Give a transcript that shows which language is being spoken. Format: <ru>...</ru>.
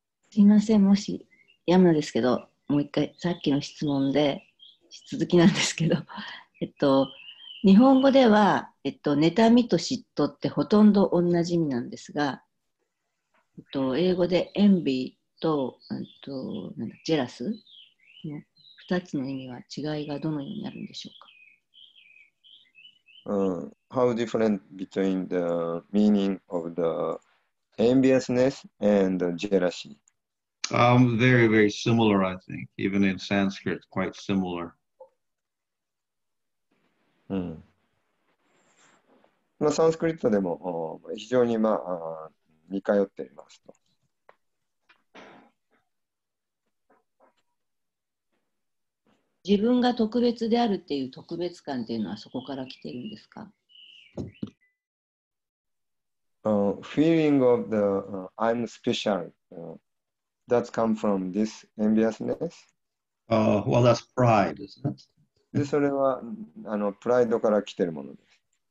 <ja>すいません、もし、やむですけど、もう一回、さっきの質問で、続きなんですけど、日本語では、妬みと嫉妬ってほとんど同じ意味なんですが、英語で envy と、なんかジェラスの2つの意味は違いがどのようになるんでしょうか。</ja> <en>How different between the meaning of the enviousness and the jealousy? Very, very similar, I think. Even in Sanskrit, quite similar.</en> <ja>サンスクリットでも非常に似通っていますと。自分が特別であるっていう特別感っていうのはそこから来ているんですか。</ja> <en>Feeling of the I'm special, that's come from this enviousness. Well, that's pride, isn't it?</en> <ja>で、それはプライドから来ているものです。</ja>